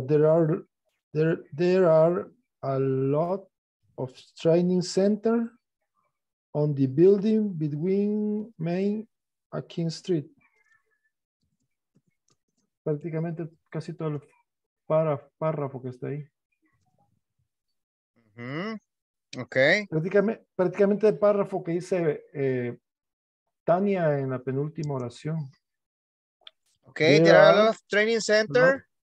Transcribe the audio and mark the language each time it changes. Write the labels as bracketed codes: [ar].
[en] There are a lot of training centers on the building between Main and King Street. [es] Prácticamente casi todo el párrafo que está ahí. Mm-hmm. Okay. Prácticamente el párrafo que dice Tania en la penúltima oración. [en] Okay, there are a lot of training center.